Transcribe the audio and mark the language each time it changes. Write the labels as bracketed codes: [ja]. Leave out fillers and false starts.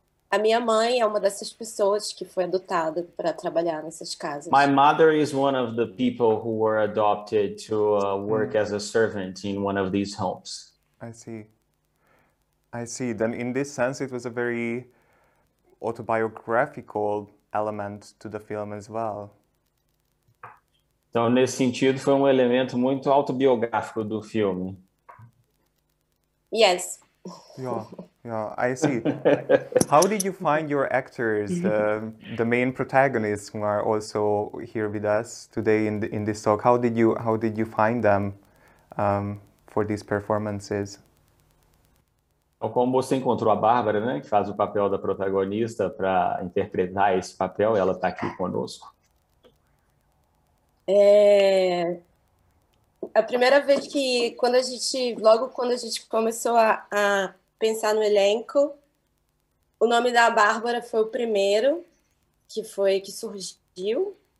[pt] A minha mãe é uma dessas pessoas que foi adotada para trabalhar nessas casas. [en] My mother is one of the people who were adopted to work as a servant in one of these homes. I see. I see. Then in this sense it was a very autobiographical element to the film as well. [pt] Então nesse sentido foi um elemento muito autobiográfico do filme. [en] Yes. Yeah, yeah, I see. How did you find your actors, the main protagonists who are also here with us today in this talk? How did you find them for these performances? [pt] Então, como você encontrou a Bárbara, né, que faz o papel da protagonista para interpretar esse papel, ela está aqui conosco. A primeira vez que, quando a gente começou a pensar no elenco, o nome da Bárbara foi o primeiro que surgiu.